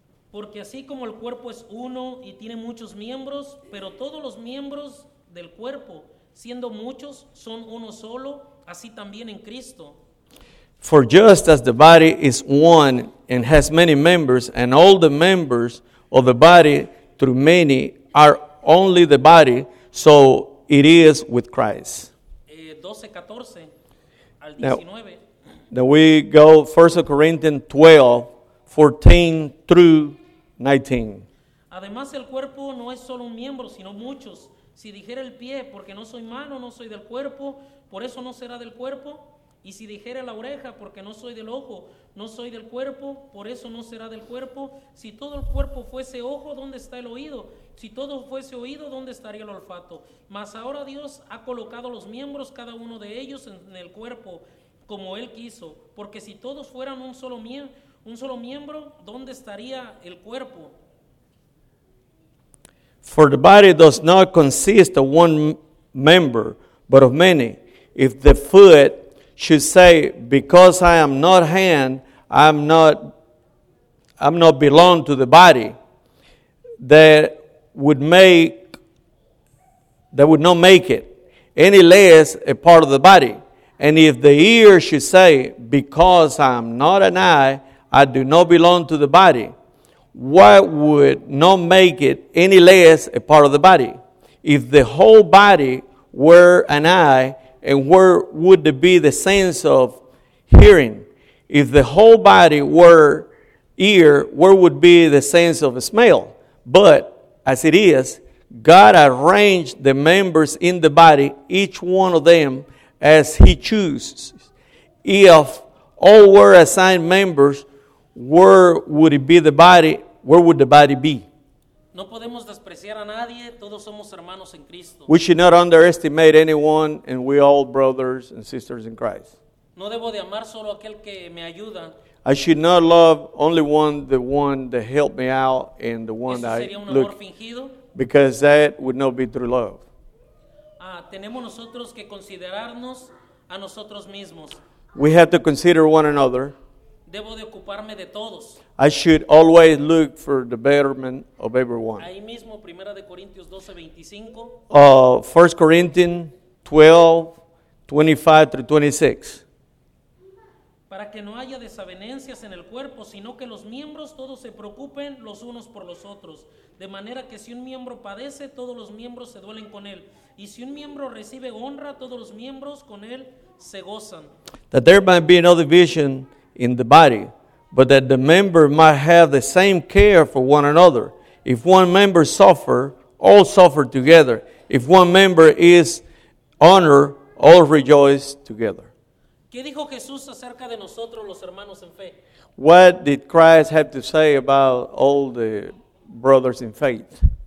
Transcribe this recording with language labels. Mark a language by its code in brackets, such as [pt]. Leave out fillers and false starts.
[es] Porque así como el cuerpo es uno y tiene muchos miembros, pero todos los miembros del cuerpo, siendo muchos, son uno solo, así también en Cristo. [en] For just as the body is one and has many members, and all the members of the body through many are only the body, so it is with Christ. 12:14-19. Now we go 1 Corinthians 12:14-19. [es] Además, el cuerpo no es solo un miembro, sino muchos. Si dijera el pie, porque no soy mano, no soy del cuerpo, por eso no será del cuerpo. Y si dijera la oreja, porque no soy del ojo, no soy del cuerpo, por eso no será del cuerpo. Si todo el cuerpo fuese ojo, ¿dónde está el oído? Si todo fuese oído, ¿dónde estaría el olfato? Mas ahora Dios ha colocado los miembros, cada uno de ellos, en el cuerpo, como Él quiso. Porque si todos fueran un solo miembro, ¿dónde estaría el cuerpo? [en] For the body does not consist of one member, but of many. If the foot should say, because I am not hand, I'm not belong to the body, that would not make it any less a part of the body. And if the ear should say, because I am not an eye, I do not belong to the body, what would not make it any less a part of the body? If the whole body were an eye, and where would there be the sense of hearing? If the whole body were ear, where would be the sense of smell? But as it is, God arranged the members in the body, each one of them, as He chooses. If all were assigned members, where would it be the body? Where would the body be? [es] No podemos despreciar a nadie, todos somos hermanos en Cristo. [en] We should not underestimate anyone, and we all brothers and sisters in Christ. [es] No debo de amar solo aquel que me ayuda. [en] I should not love only one, the one that helped me out and the one [es] eso [en] that [es] sería [en] I [es] un amor [en] look, [es] fingido. [en] Because that would not be true love. [es] tenemos nosotros que considerarnos a nosotros mismos. [en] We have to consider one another. [es] Debo de ocuparme de todos. [en] I should always look for the betterment of everyone. [es] Ahí mismo, Primera de Corintios [en] 12:25. 1 Corinthians 12:25-26. [es] Para que no haya desavenencias en el cuerpo, sino que los miembros todos se preocupen los unos por los otros. De manera que si un miembro padece, todos los miembros se duelen con él. Y si un miembro recibe honra, todos los miembros con él se gozan. [en] That there might be no division in the body, but that the member might have the same care for one another. If one member suffer, all suffer together. If one member is honored, all rejoice together. [es] ¿Qué dijo Jesús acerca de nosotros, los hermanos en fe? [en] What did Christ have to say about all the brothers in faith?